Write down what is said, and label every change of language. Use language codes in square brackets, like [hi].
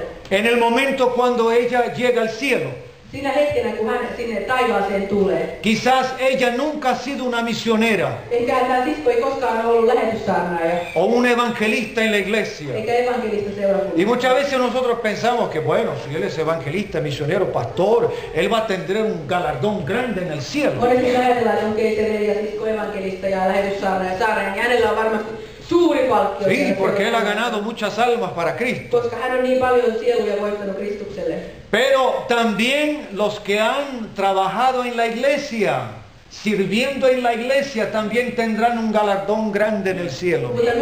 [es] En el momento cuando ella llega al cielo. [fi] Siinä hetkenä, kun hän sinne taivaaseen tulee. [es] Quizás ella nunca ha sido una misionera. [fi] Ehkä hän sisko ei koskaan ollut lähetyssaarnaaja. [es] O un evangelista en la iglesia. [fi] Ehkä evangelista seurakunnassa. [es] Y muchas veces nosotros pensamos que bueno, si él es evangelista, misionero, pastor, él va a tener un galardón grande en el cielo. [fi] Monesti ajatellaan, että onkin se neljä sisko evangelista ja lähetyssaarnaaja saarnaaja, niin hänellä on varmasti suuri palkkio. [es] Sí, porque él ha ganado muchas almas para Cristo. [fi] Koska hän on niin paljon sieluja voittanut Kristukselle. [es] Pero también los que han trabajado en la iglesia, sirviendo en la iglesia, también tendrán un galardón grande en el cielo.